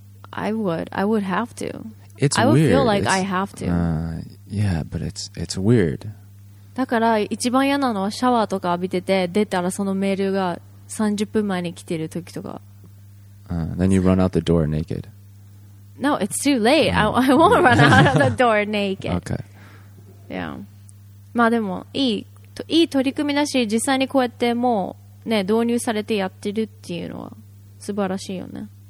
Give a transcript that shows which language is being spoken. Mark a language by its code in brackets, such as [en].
[en] I would have to. It's I would weird. Feel like it's, I have to. Yeah, but it's weird. [ja] だから一番嫌なのはシャワーとか浴びてて出たらそのメールが30分前に来てる時とか。 [en] Then you run out the door naked. No, it's too late. I won't run out of the door naked. Okay. Yeah. [ja] まあでもいい取り組みだし実際にこうやってもうね導入されてやってるっていうのは素晴らしいよね。